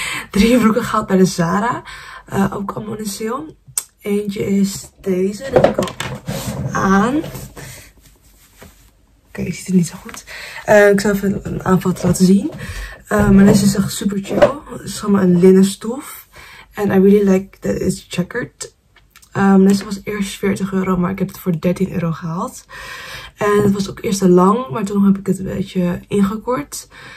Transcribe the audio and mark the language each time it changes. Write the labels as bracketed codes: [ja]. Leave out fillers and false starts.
[nl] 3 broeken gehaald bij de Zara. Ook allemaal in sale. Eentje is deze. Die heb ik al aan. Oké, ik zie het niet zo goed. Ik zal even een aanvat laten zien. Maar deze is echt super chill. Het is allemaal een linnen stof. [en] En I really like that it's checkered. [nl] Deze was eerst 40 euro, maar ik heb het voor 13 euro gehaald. En het was ook eerst te lang, maar toen heb ik het een beetje ingekort.